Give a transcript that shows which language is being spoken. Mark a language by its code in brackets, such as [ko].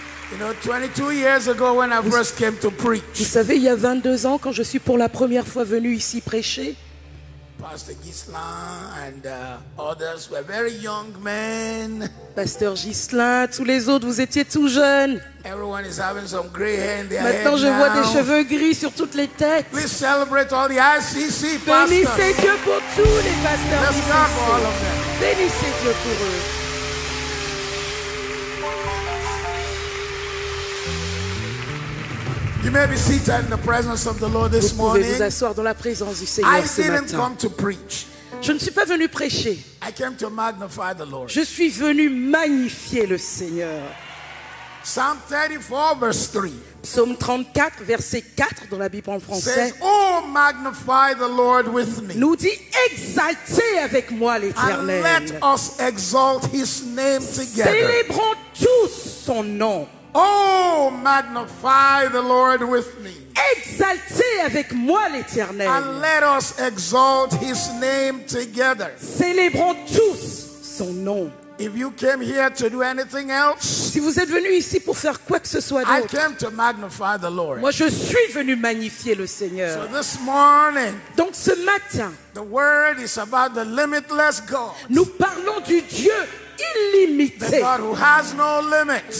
[en] You know, 22 years ago when I first came to preach. [fr] Vous savez, il y a 22 ans quand je suis pour la première fois venu ici prêcher. [en] Pastor Ghislain and others were very young men. [fr] Pasteur Ghislain, tous les autres, vous étiez tout jeunes. [en] Everyone is having some gray hair in their [fr] Maintenant, [en] head [fr] je vois [en] now. [fr] Des cheveux gris sur toutes les têtes. [en] Please celebrate all the ICC pastors. [fr] Bénissez Dieu pour tous les pasteurs. [en] Let's ICC. Clap for all of them. [fr] Bénissez Dieu pour eux. [en] You may be seated in the presence of the Lord this morning. [fr] Vous pouvez vous asseoir dans la présence du Seigneur ce matin. [en] I didn't come to preach. [fr] Je ne suis pas venu prêcher. [en] I came to magnify the Lord. [fr] Je suis venu magnifier le Seigneur. [en] Psalm 34, verse 3. [fr] Psaume 34, verset 4 dans la Bible en français. [en] Says, oh, magnify the Lord with me. [fr] Nous dit, exaltez avec moi l'Éternel. [en] And let us exalt his name together. [fr] Célébrons tous son nom. [en] Oh, magnify the Lord with me. [fr] Exaltez avec moi l'Éternel. [en] And let us exalt his name together. [fr] Célébrons tous son nom. [en] If you came here to do anything else, [fr] si vous êtes venu ici pour faire quoi que ce soit d'autre, [en] I came to magnify the Lord. [fr] Moi, je suis venu magnifier le Seigneur. [en] So this morning, [fr] donc ce matin, [en] the word is about the limitless God. [fr] Nous parlons du Dieu illimité. [en] The God who has no limits.